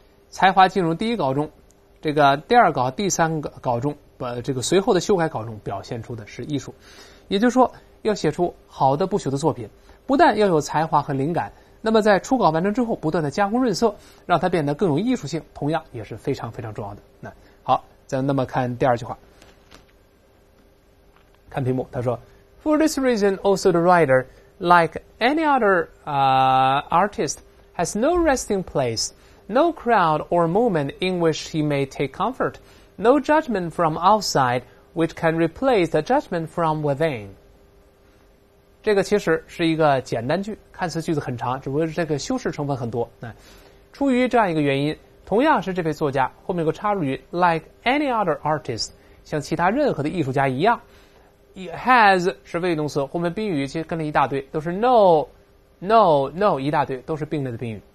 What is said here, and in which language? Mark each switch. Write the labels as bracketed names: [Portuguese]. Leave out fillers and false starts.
[Chinese] 才华进入第一稿中，这个第二稿、第三个稿中，这个随后的修改稿中表现出的是艺术，也就是说要写出好的不朽的作品，不但要有才华和灵感，那么在初稿完成之后不断的加工润色，让它变得更有艺术性，同样也是非常非常重要的。 [English] 那好，再那么看第二句话，看屏幕，他说 For this reason also the writer like any other artist has no resting place, no crowd or moment in which he may take comfort, no judgment from outside which can replace the judgment from within。 [Chinese] 这个其实是一个简单句，看似句子很长，只不过这个修饰成分很多。出于这样一个原因，同样是这位作家，后面有个插入语 like any other artist，像其他任何的艺术家一样。 has 是谓语动词，后面宾语其实跟了一大堆，都是 no 一大堆，都是并列的宾语。